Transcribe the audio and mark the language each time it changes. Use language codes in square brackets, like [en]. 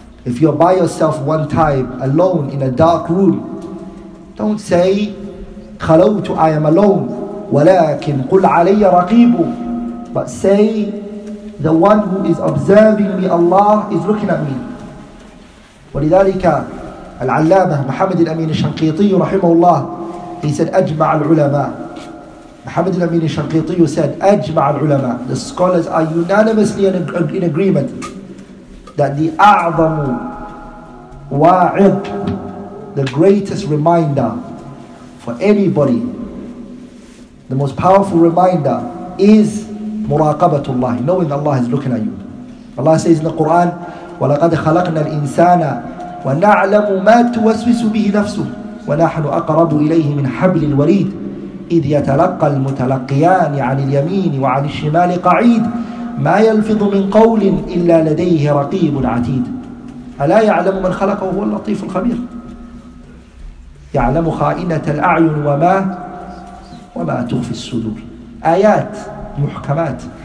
[en] If you're by yourself one time, alone, in a dark room, don't say, [ar] خَلَوْتُ, [en] I am alone. [ar] وَلَكِنْ قُلْ عَلَيَّ رَقِيبُ. [en] But say, The one who is observing me, Allah is looking at me. [ar] ولذلك العلامة محمد الأمين الشنقيطي رحمه الله, [en] he said [ar] أجمع العلماء. [en] Muhammad al-Amin al-Shanqiti said, [ar] أجمع العلماء. [en] The scholars are unanimously in agreement that the [ar] أعظم واعظ, [en] the greatest reminder for anybody, the most powerful reminder is [ar] مراقبة الله, [en] knowing Allah is looking at you. Allah says in the Quran, [ar] وَلَقَدْ خَلَقْنَا الْإِنسَانَ وَنَعْلَمُ مَا تُوَسْوِسُ بِهِ نَفْسُهُ وَنَحْنُ أَقْرَبُ إِلَيْهِ مِنْ حَبْلِ الْوَرِيدِ إذ يتلقى المتلقيان عن اليمين وعن الشمال قعيد ما يلفظ من قول إلا لديه رقيب عتيد ألا يعلم من خلقه هو اللطيف الخبير يعلم خائنة الأعين وما تخفي الصدور آيات محكمات.